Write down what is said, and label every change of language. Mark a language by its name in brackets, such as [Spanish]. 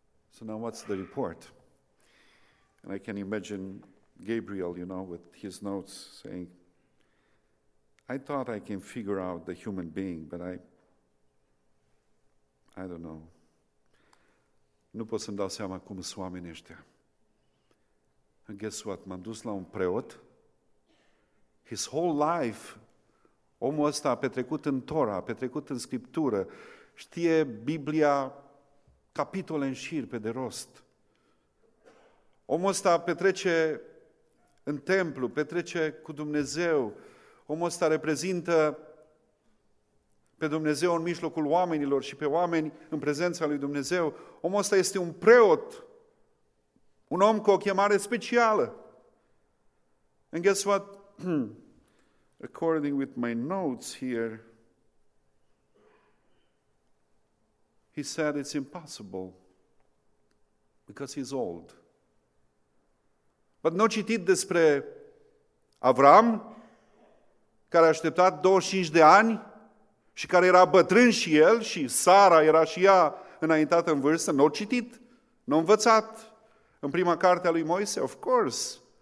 [English] So now what's the report? And I can imagine Gabriel, you know, with his notes saying, I thought I can figure out the human being, but I don't know. [Romanian] Nu pot să-mi dau seama cum sunt oamenii ăștia. [English] And guess what? [Romanian] M-am dus la un preot. [English] His whole life, [Romanian] omul ăsta a petrecut în Tora, a petrecut în Scriptură, știe Biblia capitole în șir, pe de rost. Omul ăsta petrece în templu, petrece cu Dumnezeu. Omul ăsta reprezintă pe Dumnezeu în mijlocul oamenilor și pe oameni în prezența lui Dumnezeu. Omul ăsta este un preot, un om cu o chemare specială. [English] And guess what? According with my notes here, he said it's impossible because he's old. [Romanian] But n-o citit despre Avram, care a așteptat 25 de ani și care era bătrân și el și Sara era și ea înaintată în vârstă, n-o citit, n-o învățat în prima carte a lui Moise, [English] of course.